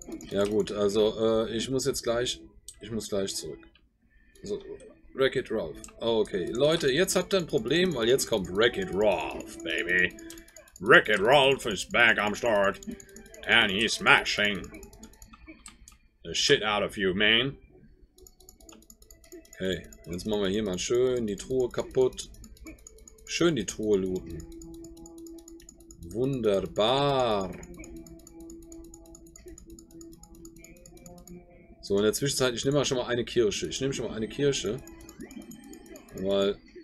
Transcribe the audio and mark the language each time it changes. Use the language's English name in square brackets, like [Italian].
[German] Ja gut, also ich muss gleich zurück. So, Wreck-It Ralph. Oh, okay, Leute, jetzt habt ihr ein Problem, weil jetzt kommt Wreck-It Ralph, Baby. [English] Wreck-It Ralph is back [German] am Start. [English] And he's smashing the shit out of you, man. [German] Okay, jetzt machen wir hier mal schön die Truhe kaputt. Schön die Truhe looten. Wunderbar. So, in der Zwischenzeit, ich nehme mal schon mal eine Kirsche. Ich nehme schon mal eine Kirsche. Weil.